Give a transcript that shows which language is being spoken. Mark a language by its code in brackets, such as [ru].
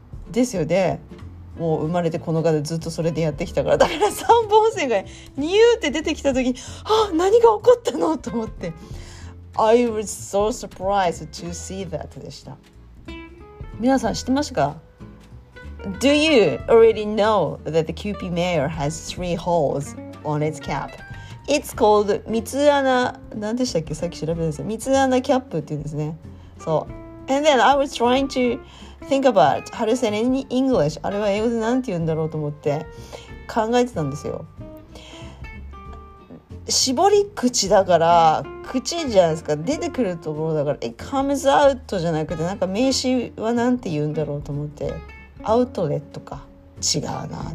[ja] ですよね。もう生まれてこの方ずっとそれでやってきたから、だから三本線がニューって出てきた時に、あ、何が起こったのと思って、 [en] I was so surprised to see that [ja] でした。皆さん知ってましたか？ [en] Do you already know that the QP mayor has three holesOn its cap. It's called [ja] 三つ穴、何でしたっけ、さっき調べたんですよ。三つ穴キャップって言うんですね。そう。 [en] And then I was trying to think about how to say it in English. [ja] あれは英語で何て言うんだろうと思って考えてたんですよ。絞り口だから、口じゃないですか。出てくるところだから、 [en] It comes out [ja] じゃなくて、なんか名詞は何て言うんだろうと思って、アウトレットか。違うな。